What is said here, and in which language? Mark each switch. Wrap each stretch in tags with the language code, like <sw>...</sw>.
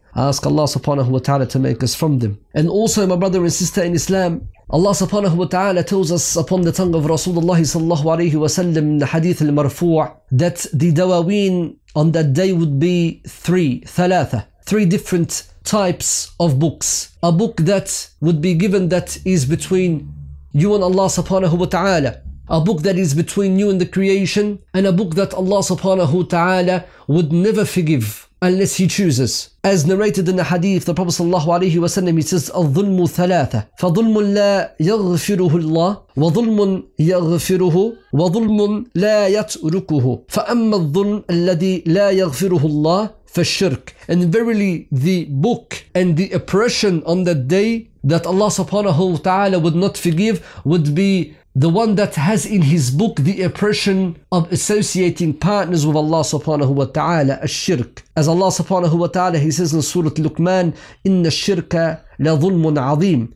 <en>I ask Allah subhanahu wa ta'ala to make us from them. And also my brother and sister in Islam, Allah subhanahu wa ta'ala tells us upon the tongue of Rasulullah sallallahu alayhi wa sallam in the hadith al-marfu' that the dawaween on that day would be three different types of books. A book that would be given that is between you and Allah subhanahu wa ta'ala. A book that is between you and the creation. And a book that Allah subhanahu wa ta'ala would never forgive unless he chooses. As narrated in the hadith, the Prophet sallallahu alayhi wa sallam, he says,</en> <ar>الظُلْمُ ثَلَاثَ فَظُلْمٌ لَا يَغْفِرُهُ اللَّهُ</ar> <en>وَظُلْمٌ يَغْفِرُهُ وَظُلْمٌ لَا يَتْرُكُهُ فَأَمَّا الظُّلْمُ الَّذِي لَا يَغْفِرُهُ اللَّهُ. And verily the book and the oppression on that day that Allah subhanahu wa ta'ala would not forgive would be the one that has in his book the oppression of associating partners with Allah subhanahu wa ta'ala, al-shirk. As Allah subhanahu wa ta'ala, he says in Surah Luqman,</en> <ar>إِنَّ الشِّرْكَ لَظُلْمٌ عَظِيمٌ.</ar>